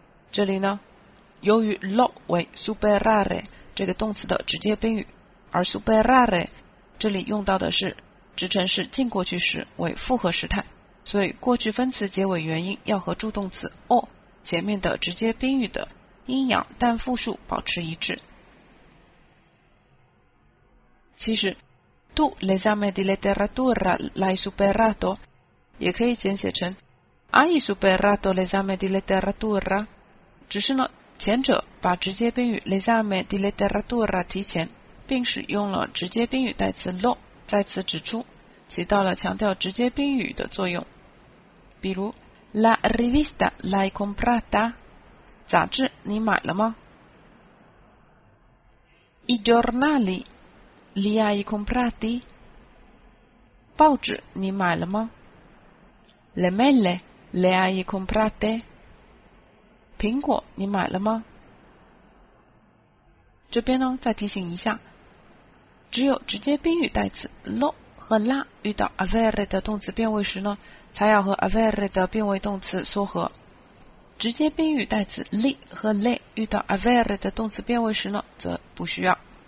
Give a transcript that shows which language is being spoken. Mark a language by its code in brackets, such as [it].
[zh] 这里呢由于 law 为 superare 这个动词的直接宾语，而 superare 这里用到的是直陈式近过去时为复合时态，所以过去分词结尾元音要和助动词 o 前面的直接宾语的阴阳单复数保持一致。其实 [it] tu l'esame di letteratura l'hai superato? [zh] 也可以简写成 [it] Hai superato l'esame di letteratura? [zh] 只是呢前者把直接宾语 l'esame di letteratura 提前并使用了直接宾语代词 lo 再次指出起到了强调直接宾语的作用比如 [it] La rivista l'hai comprata? [zh] 杂志你买了吗 [it] I giornali li hai comprati? [zh] 报纸你买了吗 [it] Le mele le hai comprate? [zh] 苹果你买了吗这边呢再提醒一下只有直接宾语代词 lo 和 la 遇到 avere 的动词变位时呢才要和 avere 的变位动词缩合直接宾语代词 li 和 le 遇到 avere 的动词变位时呢则不需要